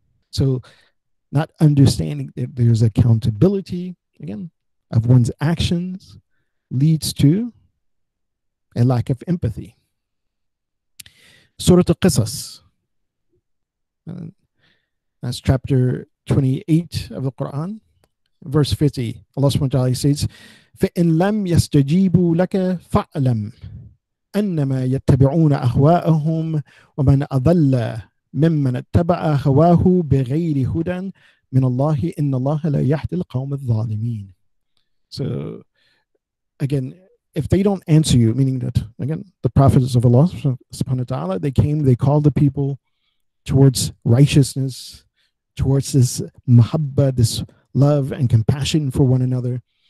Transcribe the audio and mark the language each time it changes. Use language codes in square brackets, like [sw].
[en] So not understanding that there's accountability, again, of one's actions leads to a lack of empathy. Surah Al-Qisas. That's chapter 28 of the Quran, verse 50. [ar] Allah subhanahu wa ta'ala says, فَإِنْ لَمْ يَسْتَجِيبُوا لَكَ فَأْلَمْ أَنَّمَا يَتَّبِعُونَ أَهْوَاءَهُمْ وَمَنْ أَضَلَّ مِمَّنَ اتَّبَعَ هَوَاهُ بِغَيْرِ هُدًى مِنَ اللَّهِ إِنَّ اللَّهَ لَا يَحْدِ الْقَوْمَ الظَّالِمِينَ. [en] So again, if they don't answer you, meaning that, again, the prophets of Allah subhanahu wa ta'ala, they came, they called the people towards righteousness, towards this muhabba, this love and compassion for one another.